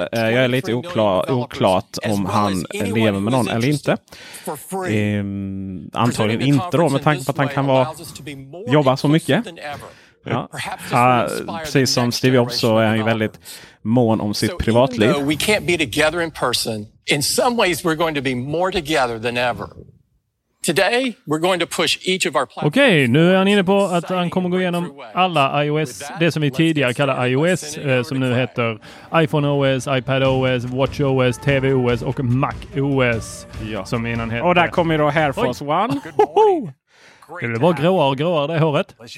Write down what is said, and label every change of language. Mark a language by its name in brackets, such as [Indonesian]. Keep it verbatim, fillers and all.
[Swedish] Eh, jag är lite oklar, oklart om han lever med någon eller inte. Eh, antagligen inte då, med tanke på att han kan vara, jobba så mycket. Ja. Ja, precis som Steve Jobs så är han ju väldigt mån om sitt privatliv. [English] We can't be together in person. In some ways we're going to be more together than ever. Today we're going to push each of our [Swedish] Okej, okay, nu är han inne på att han kommer gå igenom alla iOS, det som vi tidigare kallade iOS, eh, som nu heter iPhone O S, iPad O S, WatchOS, T V O S och Mac O S, ja. Som innan hette. Och där kommer då Air Force One. Det var gråare och gråare det håret.